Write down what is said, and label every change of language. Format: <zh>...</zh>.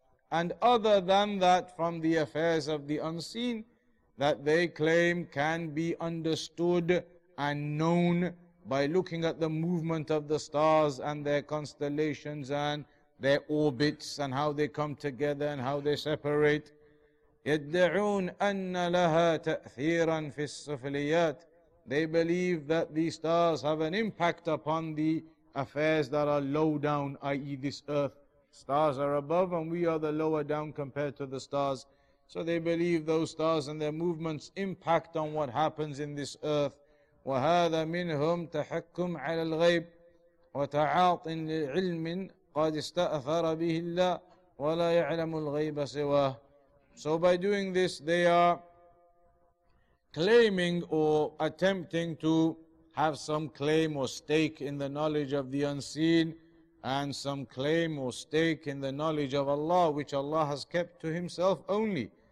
<en>And other than that, from the affairs of the unseen, that they claim can be understood and known by looking at the movement of the stars and their constellations and their orbits and how they come together and how they separate.</en> <ar>يدعون أن لها تأثيرا في السفليات.</ar> <en>They believe that the stars have an impact upon the affairs that are low down, i.e. this earth. Stars are above and we are the lower down compared to the stars. So they believe those stars and their movements impact on what happens in this earth.</en> <ar>وهذا منهم تحكم على الغيب وتعاط لعلم قد استأثر به الله ولا يعلم الغيب سواه.</ar> <en>So by doing this, they are claiming or attempting to have some claim or stake in the knowledge of the unseen and some claim or stake in the knowledge of Allah, which Allah has kept to Himself only.</en>